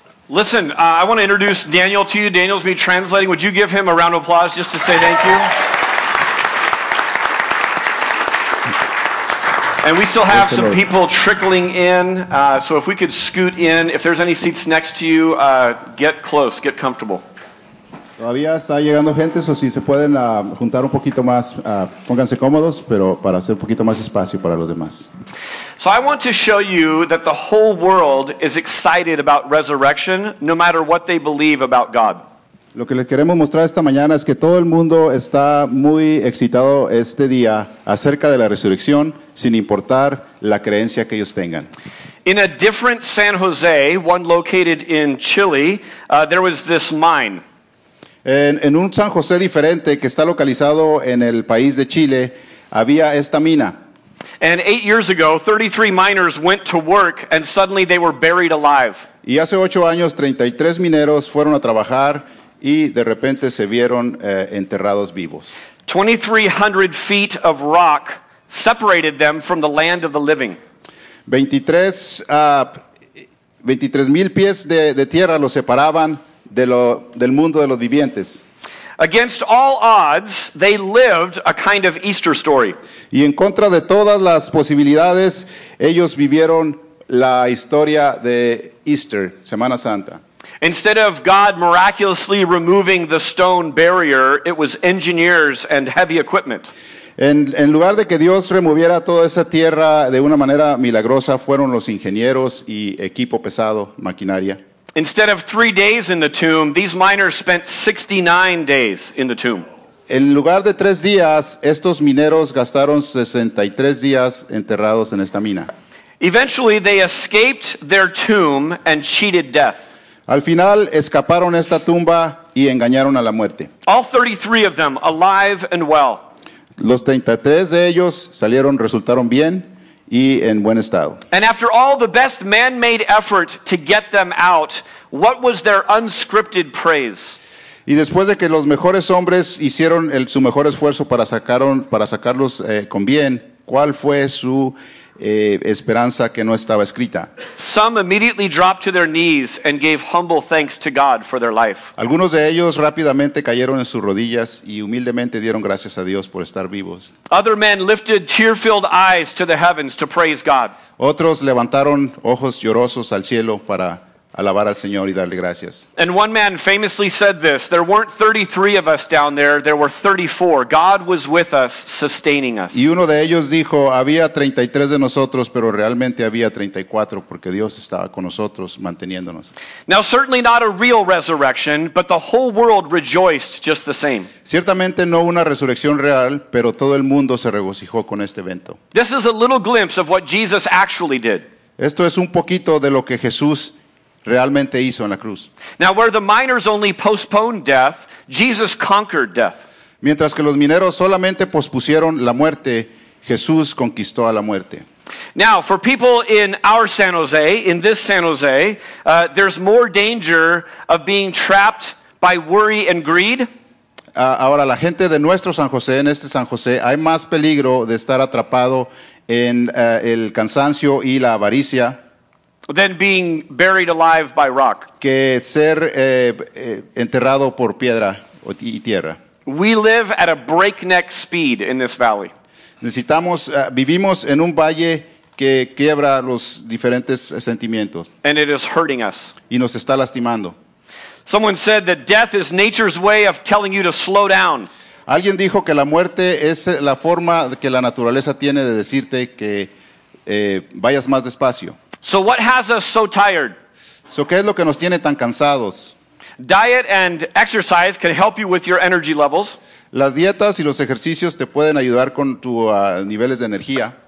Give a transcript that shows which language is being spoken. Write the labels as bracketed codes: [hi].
[en] Listen, I want to introduce Daniel to you. Daniel's going to be translating. Would you give him a round of applause just to say thank you? And we still have some people trickling in, so if we could scoot in. If there's any seats next to you, get close, get comfortable. [es] Todavía está llegando gente, [en] so [es] si se pueden juntar un poquito más, pónganse cómodos, pero para hacer un poquito más espacio para los demás. [en] So I want to show you that the whole world is excited about resurrection, no matter what they believe about God. [es] Lo que les queremos mostrar esta mañana es que todo el mundo está muy excitado este día acerca de la resurrección, sin importar la creencia que ellos tengan. [en] In a different San Jose, one located in Chile, there was this mine. [es] En un San José diferente que está localizado en el país de Chile, había esta mina. [en] And 8 years ago, 33 miners went to work and suddenly they were buried alive. [es] Y hace 8 años, 33 mineros fueron a trabajar y de repente se vieron enterrados vivos. [en] 2,300 feet of rock separated them from the land of the living. [es] 23,000 pies de tierra los separaban del mundo de los vivientes. [en] Against all odds, they lived a kind of Easter story. [es] Y en contra de todas las posibilidades, ellos vivieron la historia de [en] Easter, [es] Semana Santa. [en] Instead of God miraculously removing the stone barrier, it was engineers and heavy equipment. [es] En lugar de que Dios removiera toda esa tierra de una manera milagrosa, fueron los ingenieros y equipo pesado, maquinaria. [en] Instead of 3 days in the tomb, these miners spent 69 days in the tomb. [es] En lugar de 3 días, estos mineros gastaron 63 días enterrados en esta mina. [en] Eventually, they escaped their tomb and cheated death. [es] Al final, escaparon esta tumba y engañaron a la muerte. [en] All 33 of them, alive and well. [es] Los 33 de ellos resultaron bien. Y en buen estado. [en] And after all the best man-made effort to get them out, what was their unscripted praise? [es] Y después de que los mejores hombres hicieron su mejor esfuerzo para sacarlos con bien, ¿cuál fue su esperanza que no estaba escrita? [en] Some immediately dropped to their knees and gave humble thanks to God for their life. [es] Algunos de ellos rápidamente cayeron en sus rodillas y humildemente dieron gracias a Dios por estar vivos. [en] Other men lifted tear-filled eyes to the heavens to praise God. [es] Otros levantaron ojos llorosos al cielo para alabar al Señor y darle gracias. [en] And one man famously said this: "There weren't 33 of us down there; there were 34. God was with us, sustaining us." [es] Y uno de ellos dijo: "Había 33 de nosotros, pero realmente había 34 porque Dios estaba con nosotros, manteniéndonos." [en] Now, certainly not a real resurrection, but the whole world rejoiced just the same. [es] Ciertamente no una resurrección real, pero todo el mundo se regocijó con este evento. [en] This is a little glimpse of what Jesus actually did. [es] Esto es un poquito de lo que Jesús realmente hizo en la cruz. [en] Now, where the miners only postponed death, Jesus conquered death. [es] Mientras que los mineros solamente pospusieron la muerte, Jesús conquistó a la muerte. [en] Now, for people in our San Jose, in this San Jose, there's more danger of being trapped by worry and greed. [es] Ahora, la gente de nuestro San José, en este San José, hay más peligro de estar atrapado en el cansancio y la avaricia. [en] Than being buried alive by rock. [es] Que ser enterrado por piedra y tierra. [en] We live at a breakneck speed in this valley. [es] Necesitamos, vivimos en un valle que quiebra los diferentes sentimientos. [en] And it is hurting us. [es] Y nos está lastimando. [en] Someone said that death is nature's way of telling you to slow down. [es] Alguien dijo que la muerte es la forma que la naturaleza tiene de decirte que vayas más despacio. [en] So what has us so tired? So [es] ¿qué es lo que nos tiene tan cansados? [en] Diet and exercise can help you with your energy levels. [es] Las dietas y los ejercicios te pueden ayudar con tus niveles de energía.